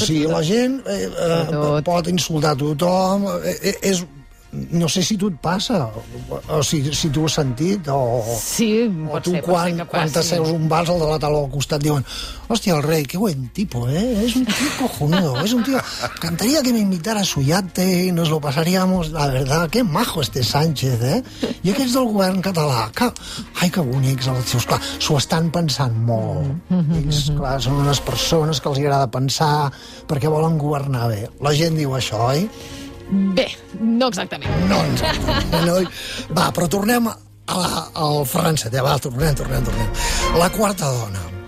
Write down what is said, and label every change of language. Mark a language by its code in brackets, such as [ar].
[ca] O sigui, la gent pot insultar tothom, és... No sé si tu et passa, o si tu ho has sentit, o... Sí, o tu ser, quan t'asseus un vas al de la taula al costat, diuen, hòstia, el rei, [es] que buen tipo, eh? [ca] És un tio cojonudo, és un tio... Cantaria que m'invitara [es] a su yate y nos lo pasaríamos... La verdad, qué majo este Sánchez, eh? [ca] I aquests del govern català, que... Ai, que bonics els seus, clar, s'ho estan pensant molt. Ells, clar, són unes persones que els agrada pensar perquè volen governar bé. La gent diu això, oi? Bé, no exactament. No, no. Va, però tornem al França. Ja, va, tornem. La quarta dona.